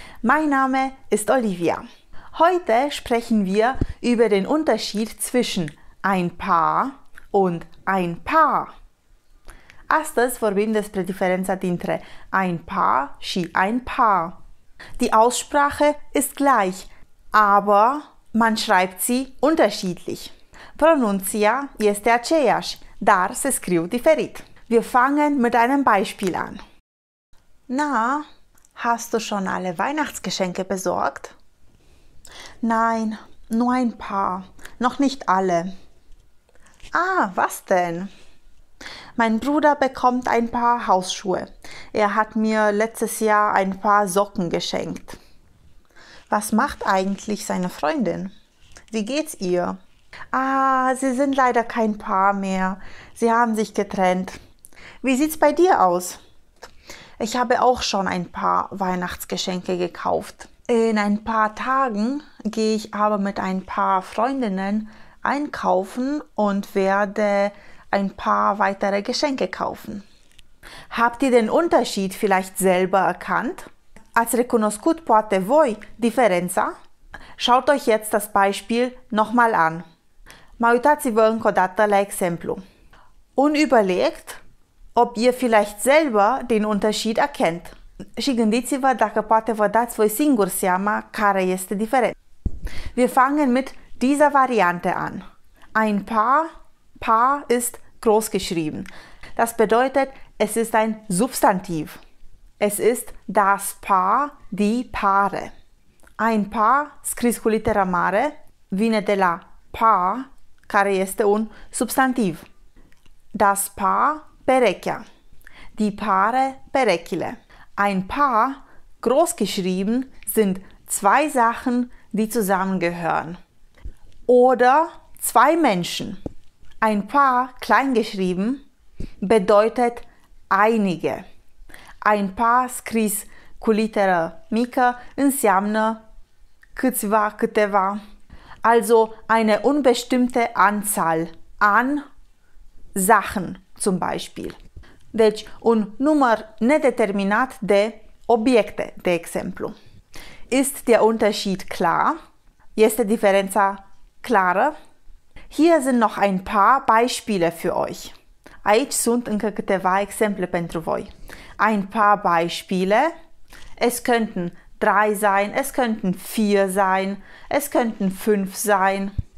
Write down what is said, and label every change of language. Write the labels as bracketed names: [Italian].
[German] Mein Name ist Olivia. Heute sprechen wir über den Unterschied zwischen ein Paar und ein Paar. [Romanian] Astăzi vorbim despre diferența dintre ein Paar și ein Paar. [German] Die Aussprache ist gleich, aber man schreibt sie unterschiedlich. [Romanian] Pronunția este aceeași, dar se scriu diferit. [German] Wir fangen mit einem Beispiel an. Na, hast du schon alle Weihnachtsgeschenke besorgt? Nein, nur ein paar, noch nicht alle. Ah, was denn? Mein Bruder bekommt ein paar Hausschuhe. Er hat mir letztes Jahr ein paar Socken geschenkt. Was macht eigentlich seine Freundin? Wie geht's ihr? Ah, sie sind leider kein Paar mehr. Sie haben sich getrennt. Wie sieht's bei dir aus? Ich habe auch schon ein paar Weihnachtsgeschenke gekauft. In ein paar Tagen gehe ich aber mit ein paar Freundinnen einkaufen und werde ein paar weitere Geschenke kaufen. Habt ihr den Unterschied vielleicht selber erkannt? [Romanian] Ați recunoscut poate voi diferența? [German] Schaut euch jetzt das Beispiel nochmal an. [Romanian] Mai uitați-vă încă o dată la exemplu. [German] Unüberlegt, ob ihr vielleicht selber den Unterschied erkennt. [Romanian] Și gândiți-vă dacă poate vă dați voi singur seama care este diferența. [German] Wir fangen mit dieser Variante an. Ein Paar, Paar ist groß geschrieben. Das bedeutet, es ist ein Substantiv. Es ist das Paar, die Paare. [Romanian] Ein Paar, scris cu litera mare, vine de la Paar, care este un Substantiv. [German] Das Paar, [Romanian] Perechea. [German] Die Paare, [Romanian] Perechile. [German] Ein Paar, groß geschrieben, sind zwei Sachen, die zusammengehören. Oder zwei Menschen. Ein Paar, kleingeschrieben, bedeutet einige. [Romanian] Ein Paar, scris cu litera mică, înseamnă câțiva, câteva. [German] Also eine unbestimmte Anzahl an Sachen. Zum Beispiel. [Romanian] Deci, un număr nedeterminat de obiecte, de exemplu. [German] Ist der Unterschied klar? [Romanian] Este diferența clară? [German] Hier sind noch ein paar Beispiele für euch. [Romanian] Aici sunt încă câteva exemple pentru voi. [German] Ein paar Beispiele. Es könnten drei sein, es könnten vier sein, es könnten fünf sein.